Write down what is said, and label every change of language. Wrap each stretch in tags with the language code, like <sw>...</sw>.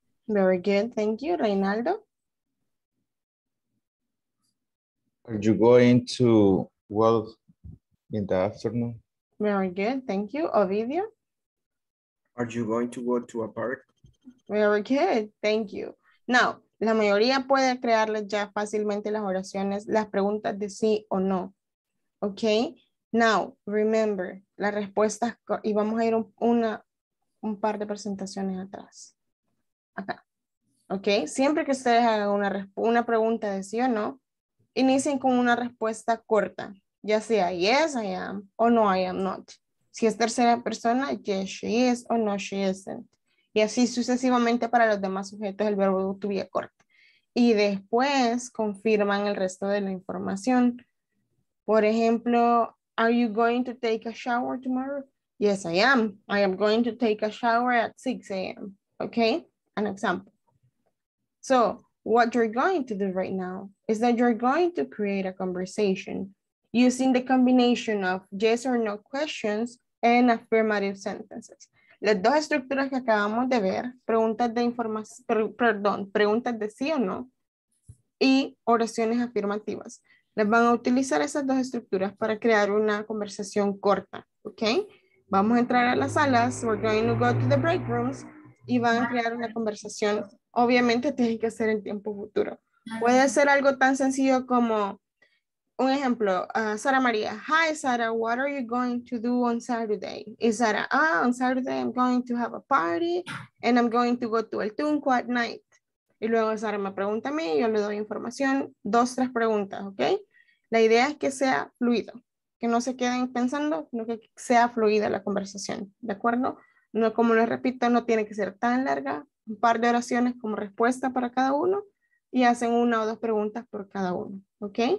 <en>Very good, thank you, Reinaldo. Are you going to walk in the afternoon? Very good, thank you. Ovidio? Are you going to go to a park? Very good, thank you.</en> <es>Now, la mayoría puede crearles ya fácilmente las oraciones, las preguntas de sí o no.</es> <en>Ok, now, remember,</en> <es>las respuestas, y vamos a ir un par de presentaciones atrás. Acá. Ok, siempre que ustedes hagan una pregunta de sí o no, inicien con una respuesta corta. Ya sea,</es> <en>yes, I am,</en> <es>o no,</es> <en>I am not.</en> <es>Si es tercera persona,</es> <en>yes, she is,</en> <es>o no,</es> <en>she isn't.</en> <es>Y así sucesivamente para los demás sujetos el verbo to be acorta. Y después confirman el resto de la información. Por ejemplo,</es> <en>are you going to take a shower tomorrow? Yes, I am. I am going to take a shower at 6 a.m. Okay, an example. So what you're going to do right now is that you're going to create a conversation using the combination of yes or no questions and affirmative sentences.</en> <es>Las dos estructuras que acabamos de ver, preguntas de sí o no y oraciones afirmativas. Les van a utilizar esas dos estructuras para crear una conversación corta, ¿ok? Vamos a entrar a las salas,</es> <en>we're going to go to the break rooms</en> <es>y van a crear una conversación. Obviamente tiene que ser en tiempo futuro. Puede ser algo tan sencillo como, un ejemplo, Sara María.</es> <en>Hi, Sara, what are you going to do on Saturday? Y Sara, on Saturday I'm going to have a party and I'm going to go to El Tunco at night.</en> <es>Y luego Sara me pregunta a mí, yo le doy información, dos, tres preguntas, ¿ok? La idea es que sea fluido, que no se queden pensando, sino que sea fluida la conversación, ¿de acuerdo? No, como les repito, no tiene que ser tan larga, un par de oraciones como respuesta para cada uno y hacen una o dos preguntas por cada uno, ¿ok?</es>